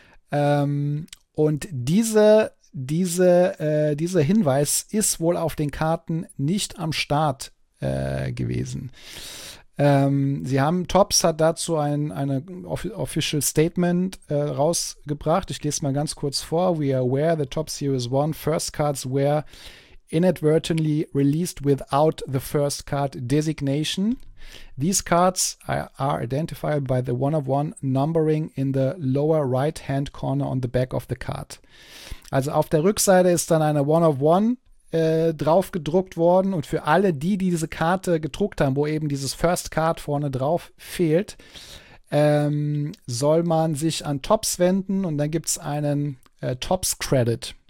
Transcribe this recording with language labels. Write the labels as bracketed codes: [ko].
[de] Und dieser Hinweis ist wohl auf den Karten nicht am Start gewesen. Sie haben, Topps hat dazu ein official Statement rausgebracht. Ich lese mal ganz kurz vor. [en] We are aware the Topps Series 1 First Cards were inadvertently released without the First Card designation. These cards are identified by the one-of-one numbering in the lower right-hand corner on the back of the card. [de] Also auf der Rückseite ist dann eine One-of-One drauf gedruckt worden, und für alle, die diese Karte gedruckt haben, wo eben dieses First Card vorne drauf fehlt, soll man sich an Topps wenden, und dann gibt es einen Topps Credit.